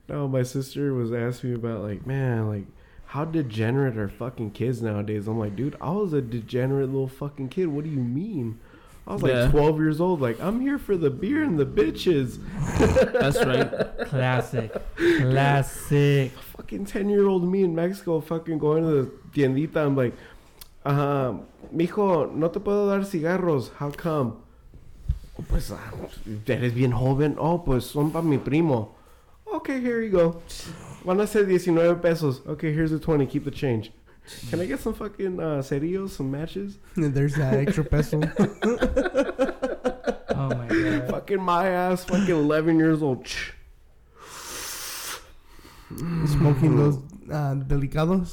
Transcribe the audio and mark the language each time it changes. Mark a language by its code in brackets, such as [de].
[en] No, my sister was asking me about how degenerate are fucking kids nowadays? I'm like, dude, I was a degenerate little fucking kid. What do you mean? I was 12 years old. Like, I'm here for the beer and the bitches. That's right. Classic. Dude, fucking 10-year-old me in Mexico fucking going to the tiendita. I'm like, [es] mijo, no te puedo dar cigarros. [en] How come? [es] Oh, pues, eres bien joven. Oh, pues, son para mi primo. [en] Okay, here you go. Wanna say 19 pesos. Okay, here's a 20. Keep the change. Can I get some fucking cerillos, some matches? There's that extra peso. Oh my god. Fucking my ass. Fucking 11 years old. Smoking those delicados?